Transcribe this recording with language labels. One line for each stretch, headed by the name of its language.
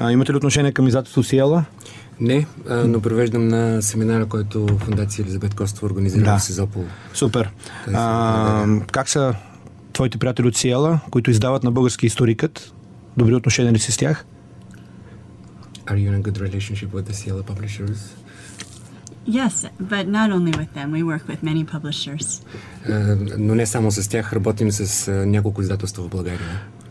Bulgarian: Имате ли отношение към издателство Сиела? Не, но провеждам на семинара, който фондация Елизабет Костова организира в Сизопол. Супер. Как са твоите приятели от Сиела, които издават на български историкът? Добри отношения ли си с тях?
English: Are you in a good relationship with the Сиела publishers? Yes, but not only with them. We work with many publishers.
Bulgarian: Но не само с тях, работим с няколко издателства в България.